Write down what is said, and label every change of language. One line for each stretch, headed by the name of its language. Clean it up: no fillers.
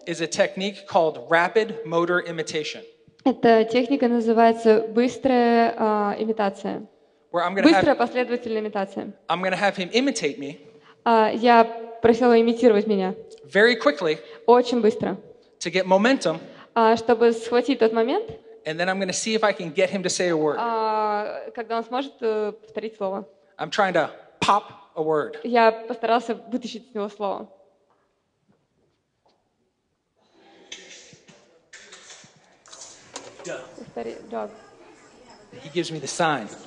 English: Is a technique called rapid motor imitation.
Russian: Эта техника называется быстрая имитация.
English: Where I'm gonna
Russian: быстрая
English: have...
Russian: последовательная имитация.
English: I'm gonna have him imitate me.
Russian: Я просила имитировать меня.
English: Very quickly.
Russian: Очень быстро.
English: To get momentum.
Russian: Чтобы схватить тот момент.
English: And then I'm going to see if I can get him to say a word.
Russian: Когда он сможет повторить слово.
English: I'm trying to pop a word.
Russian: Я постарался вытащить из него слово.
English: Dog. He gives me the sign.